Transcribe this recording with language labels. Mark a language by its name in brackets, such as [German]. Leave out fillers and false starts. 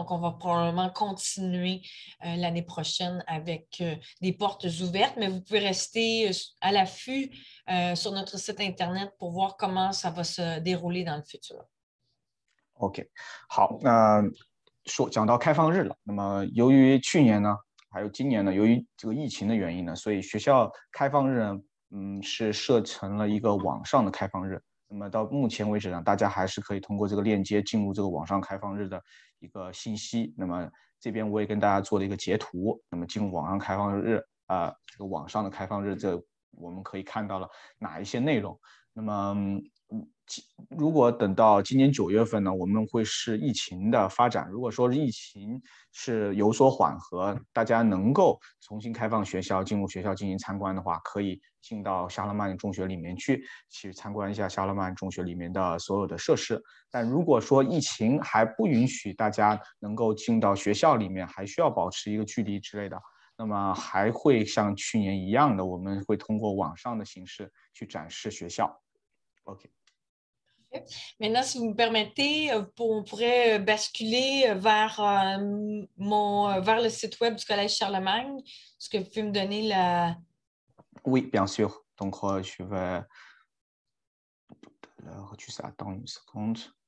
[French] Donc, on va probablement continuer l'année prochaine avec des portes ouvertes, mais vous pouvez rester à l'affût sur notre site Internet pour voir comment ça va se dérouler dans le futur. [Chinese] OK. 好，说讲到开放日了。那么由于去年呢还有今年呢，由于这个疫情的原因呢，所以学校开放日是设成了一个网上的开放日。那么到目前为止呢，大家还是可以通过这个链接进入这个网上开放日的一个信息。那么这边我也跟大家做了一个截图，那么进入网上开放日这个网上的开放日，这我们可以看到了哪一些内容。那么如果等到今年九月份呢，我们会是疫情的发展，如果说疫情是有所缓和，大家能够重新开放学校，进入学校进行参观的话，可以进到夏勒曼中学里面去参观一下夏勒曼中学里面的所有的设施。但如果说疫情还不允许大家能够进到学校里面，还需要保持一个距离之类的，那么还会像去年一样的，我们会通过网上的形式去展示学校。 OK。 [French] Maintenant, si vous me permettez, on pourrait basculer vers le site web du Collège Charlemagne. Est-ce que vous pouvez me donner la... Oui, bien sûr. Donc, je vais... Tout à l'heure, tu sais, attends une seconde.